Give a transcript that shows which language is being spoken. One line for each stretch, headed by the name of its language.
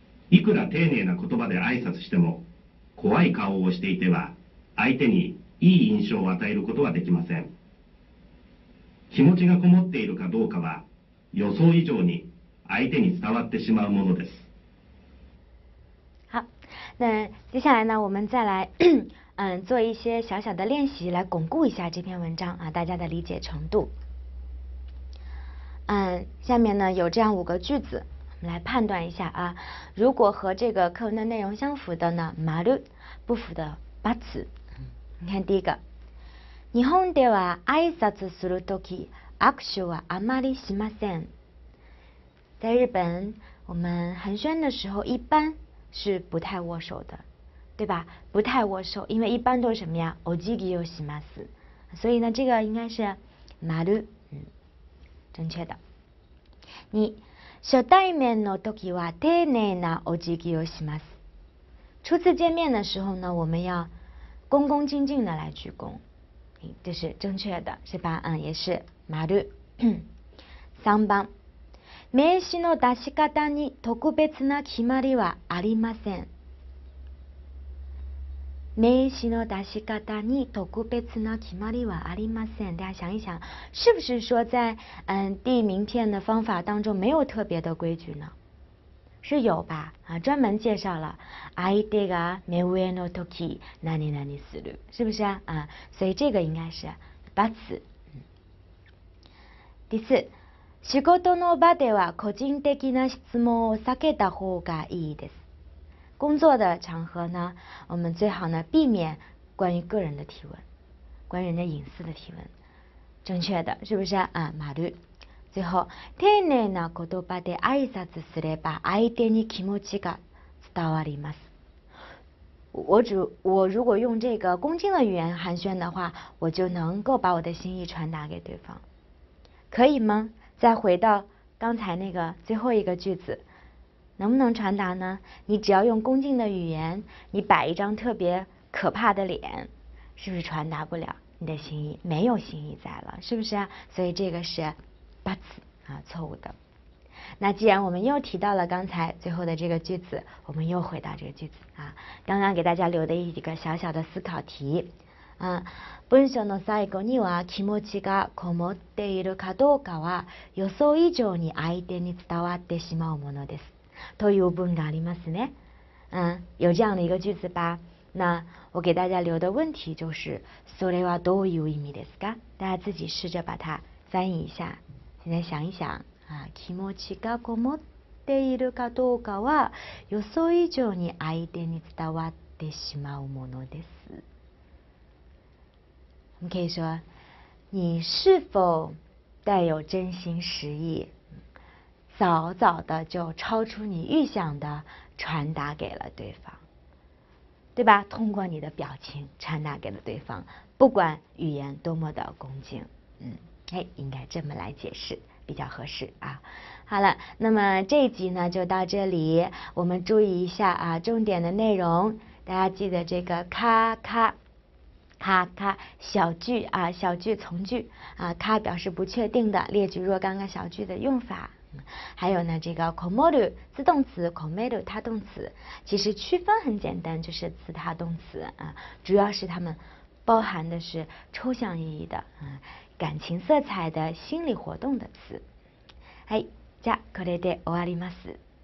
Japanese: いくら丁寧な言葉で挨拶しても怖い顔をしていては相手にいい印象を与えることはできません。気持ちがこもっているかどうかは予想以上に相手に伝わってしまうものです。
Chinese: 好、那接下来呢我们再来做一些小小的练习来巩固一下这篇文章啊，大家的理解程度。下面呢有这样五个句子，我们来判断一下啊。如果和这个课文的内容相符的呢，まる；不符的，バツ。你看第一个，
Japanese: 日本では挨拶するとき握手はあまりしません。
Chinese: 在日本，我们寒暄的时候一般是不太握手的，对吧？不太握手，因为一般都是什么呀？
Japanese: お辞儀をします。
Chinese: 所以呢，这个应该是まる。正确的。
Japanese: 你初対面の時は丁寧なお辞儀をします。
Chinese: 初次见面的时候呢，我们要恭恭敬敬的来鞠躬，这是正确的，是吧？也是丸。
Japanese: 三番、名刺の出し方に特別な決まりはありません。名刺の出し方に特別な決まりはありません。
Chinese: 大家想一想，是不是说在递名片的方法当中没有特别的规矩呢？是有吧？啊，专门介绍了
Japanese: 相手が目上の時
Chinese: 何何する，是不是啊？啊，所以这个应该是バツ。
Japanese: 第四，仕事の場では個人的な質問を避けた方がいいです。
Chinese: 工作的场合呢，我们最好呢避免关于个人的提问，关于人的隐私的提问，正确的是不是啊？马律。
Japanese: 最后，丁寧な言葉で挨拶すれば相手に気持ちが伝わります。
Chinese: 我如果用这个恭敬的语言寒暄的话，我就能够把我的心意传达给对方，可以吗？再回到刚才那个最后一个句子。能不能传达呢？你只要用恭敬的语言，你摆一张特别可怕的脸，是不是传达不了你的心意？没有心意在了，是不是啊？所以这个是八字啊，错误的。那既然我们又提到了刚才最后的这个句子，我们又回到这个句子啊，刚刚给大家留的一个小小的思考题啊。
Japanese: 文章の最後には気持ちがこもっているかどうかは予想以上に相手に伝わってしまうものです。という文がありますね。
Chinese: 有这样的一个句子吧。那我给大家留的问题就是，
Japanese: それはどういう意味ですか？
Chinese: 大家自己试着把它翻译一下。现在想一想啊，
Japanese: 気持ちがこもっているかどうかは予想以上に相手に伝わってしまうものです。
Chinese: 你可以说，你是否带有真心实意？早早的就超出你预想的传达给了对方，对吧？通过你的表情传达给了对方，不管语言多么的恭敬，应该这么来解释比较合适啊。好了，那么这一集呢就到这里，我们注意一下啊，重点的内容，大家记得这个咔咔。咔咔，小句啊，小句从句啊，咔表示不确定的，列举若干个小句的用法。还有呢，这个 komoru 自动词 komeru 他动词，其实区分很简单，就是词他动词啊，主要是他们包含的是抽象意义的啊，感情色彩的心理活动的词。
Japanese: はい、じゃあこれで終わります。